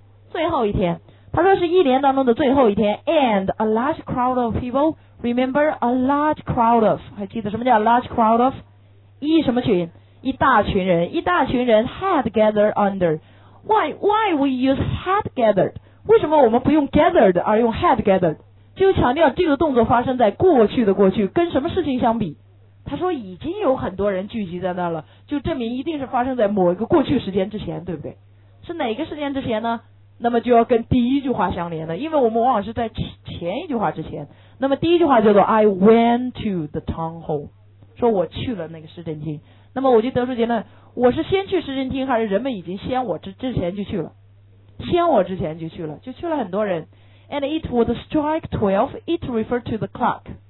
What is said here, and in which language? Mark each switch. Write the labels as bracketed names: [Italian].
[Chinese] 最后一天，他说是一年当中的最后一天。 [English] and a large crowd of people， remember a large crowd of， [Chinese] 还记得什么叫 [English] a large crowd of？ [Chinese] 一什么群？一大群人，一大群人 [English] had gathered under。 Why we use had gathered？ [Chinese] 为什么我们不用 [English] gathered [Chinese] 而用 [English] had gathered？ [Chinese] 就强调这个动作发生在过去的过去，跟什么事情相比？他说已经有很多人聚集在那了，就证明一定是发生在某一个过去时间之前，对不对？是哪个时间之前呢？那么就要跟第一句话相连了，因为我们往往是在前一句话之前。那么第一句话叫做 [English] I went to the town hall， [Chinese] 说我去了那个市政厅。那么我就得出结论，我是先去市政厅，还是人们已经先我之前就去了？先我之前就去了，就去了很多人。 [English] And it would strike 12， it referred to the clock。